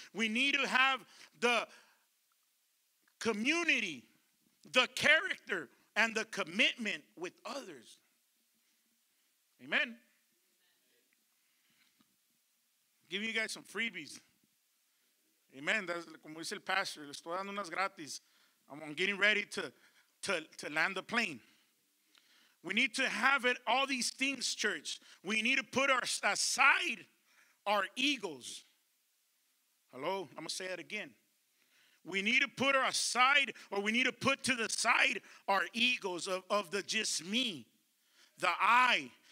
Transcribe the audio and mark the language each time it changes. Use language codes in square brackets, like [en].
[en] We need to have the community, the character, and the commitment with others. Amen. Give you guys some freebies. Amen. [es] Como dice el pastor, le estoy dando unas gratis. [en] I'm getting ready to land the plane. We need to have it, all these things, church. We need to put aside our egos. Hello? I'm going to say that again. We need to put aside, or we need to put to the side our egos of the just me, the I.